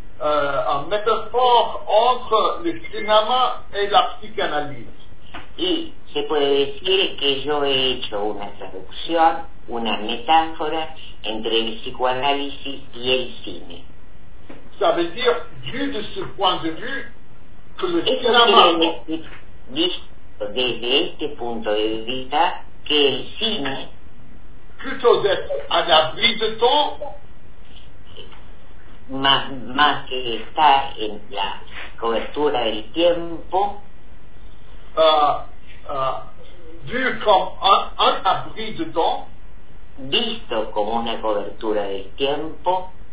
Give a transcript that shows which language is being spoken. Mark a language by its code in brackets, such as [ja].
[fr] un métaphore entre le cinéma et la psychanalyse. [es] Y se puede decir que yo he hecho una traducción, una metáfora entre el psicoanálisis y el cine. [fr] Ça veut dire, vu de ce point de vue, que le [es] Eso [fr] cinéma... [es] Visto desde este punto de vista, que el cine... [fr] Plutôt d'être à l'abri de temps... [es] Más que estar en la cobertura del tiempo... [fr] Vu comme un abri de temps... [es] Visto como una cobertura del tiempo...